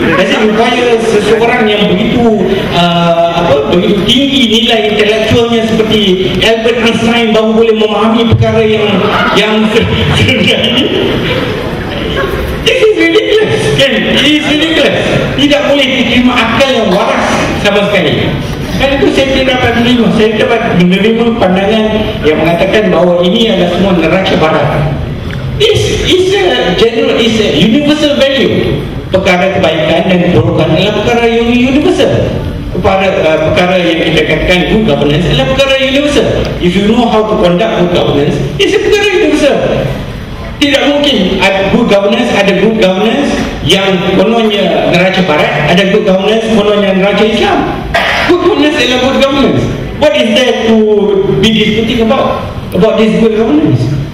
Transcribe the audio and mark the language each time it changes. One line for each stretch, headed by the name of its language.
English: Does it require
Malay: seseorang yang begitu begitu tinggi nilai intelektualnya seperti Albert Einstein baru boleh memahami perkara yang terjadi?
English: This is ridiculous,
Malay: kan?
English: It is ridiculous.
Malay: Tidak boleh diterima akal yang waras sama sekali. Dan itu saya dapat menerima pandangan yang mengatakan bahawa ini adalah semua neraca barat.
English: This is a general, is a universal value.
Malay: Perkara kebaikan dan keburukan adalah perkara yang universal. Perkara yang kita katakan good governance adalah perkara universal.
English: If you know how to conduct good governance, it's a
Malay: perkara universal. Tidak mungkin ada good governance yang kononnya neraca barat, ada good governance kononnya neraca Islam. Good governance adalah good governance.
English: What is there to be disputing about this good governance?